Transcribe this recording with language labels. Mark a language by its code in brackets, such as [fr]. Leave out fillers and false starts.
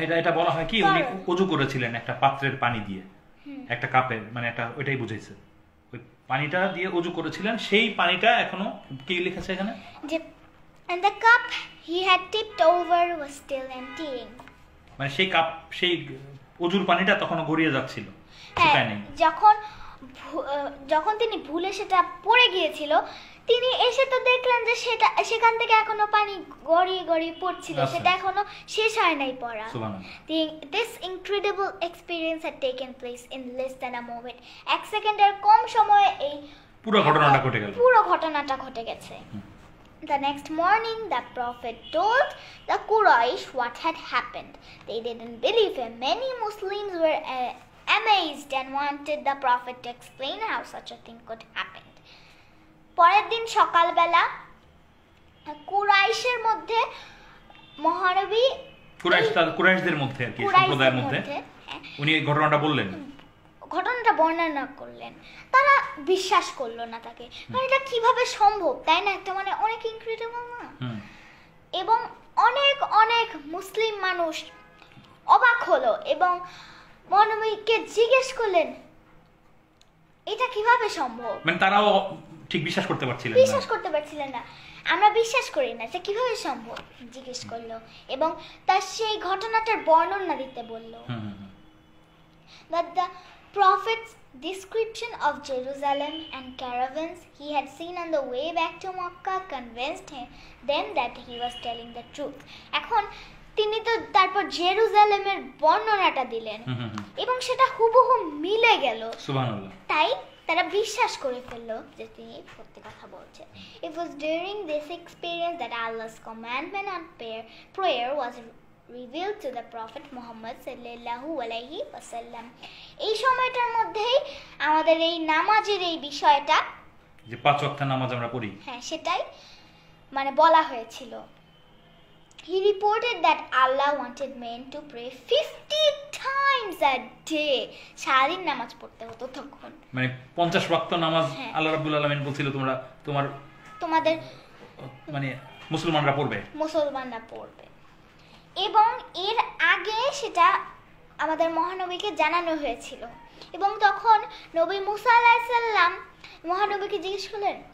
[bn] এটা বলা হয় কি, উনি উজু করেছিলেন একটা পাত্রের পানি দিয়ে, একটা কাপের মানে একটা, ওইটাই বুঝাইছে, ওই পানিটা দিয়ে উজু করেছিলেন, সেই পানিটা এখনো কি লিখেছে এখানে, [en] যে and the cup he had tipped over was still emptying. [bn] মানে সেই কাপ, সেই উজুর পানিটা তখনও গড়িয়ে যাচ্ছিল। হ্যাঁ, যখন যখন তিনি ভুলে সেটা পড়ে গিয়েছিল তিনি এসে তো দেখলেন যে সেটা সেখান থেকে এখনো পানি গড়িয়ে গড়িয়ে পড়ছিল, সেটা এখনো শেষ হয় নাই পড়া। সুবহানাল্লাহ। [en] This incredible experience had taken place in less than a moment. [bn] এক সেকেন্ডের কম সময়ে এই পুরো ঘটনাটা ঘটে গেল, পুরো ঘটনাটা ঘটে গেছে। [en] The next morning the prophet told the Quraysh what had happened. They didn't believe him. Many Muslims were amazed and wanted the prophet to explain how such a thing could happen. [bn] পরের দিন সকালবেলা কুরাইশের মধ্যে মহানবী, কুরাইশদের মধ্যে আর কি, সম্প্রদায়ের মধ্যে উনি এই ঘটনাটা বললেন, ঘটনাটা বর্ণনা করলেন, তারা বিশ্বাস করলো না তাকে, কারণ এটা কিভাবে সম্ভব, তাই না? একটা মানে অনেক ইনক্রেডিবল না? এবং অনেক অনেক মুসলিম মানুষ অবাক হলো এবং মহানবীকে জিজ্ঞেস করলেন এটা কিভাবে সম্ভব, মানে তারাও ঠিক বিশ্বাস করতে পারছিলেন বিশ্বাস করতে পারছিলেন না, আমরা বিশ্বাস করি না যে কিভাবে সম্ভব, জিজ্ঞেস করলো এবং তার সেই ঘটনাটার বর্ণনা দিতে বললো। [en] That the prophet's description of Jerusalem and caravans he had seen on the way back to Mecca convinced him then that he was telling the truth. [bn] এখন তিনি তো তারপর জেরুজালেমের বর্ণনাটা দিলেন এবং সেটা হুবহু মিলে গেল, তাই তারা বিশ্বাস করে ফেললো যে তিনি সত্যি কথা বলছেন। [en] It was during this experience that Allah's commandment on prayer was revealed to the Prophet Muhammad sallallahu alaihi wasallam. [bn] এই সময়টার মধ্যেই আমাদের এই নামাজের এই বিষয়টা, যে পাঁচ ওয়াক্ত নামাজ আমরা পড়ি, হ্যাঁ সেটাই মানে বলা হয়েছিল। [en] He reported that Allah wanted men to pray 50 times a day. [bn] সারাদিন নামাজ পড়তে হতো তখন, মানে 50 ওয়াক্ত নামাজ আল্লাহ রাব্বুল আলামিন বলছিল তোমরা তোমাদের মানে মুসলমানরা পড়বে, মুসলমানরা পড়বে। এবং এর আগে সেটা আমাদের মহানবীকে জানানো হয়েছিল এবং তখন নবী মুসা আলাইহিসসালাম মহানবীকে জিজ্ঞেস করলেন,